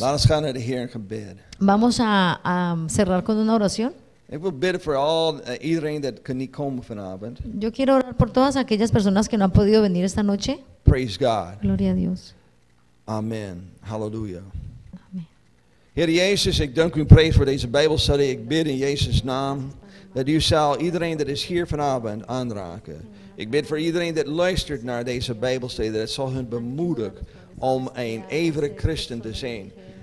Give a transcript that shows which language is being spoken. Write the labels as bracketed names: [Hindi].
[Dutch] Laat ons gaan naar de Heer in gebed. [Spanish] Vamos a cerrar con una oración. [Dutch] Ik wil bidden voor iedereen dat kan niet komen vanavond. [Spanish] Yo quiero orar por todas aquellas personas que no han podido venir esta noche. [English] Praise God. [Spanish] Gloria a Dios. Amen. Halleluja. [Dutch] Heer Jezus, ik dank u en prijs voor deze Bijbelstudie. Ik bid in Jezus' naam dat u zal iedereen dat is hier vanavond aanraken. Ik bid voor iedereen dat luistert naar deze Bijbelstudie, dat het zal hun bemoedigen om een ijverig christen te zijn.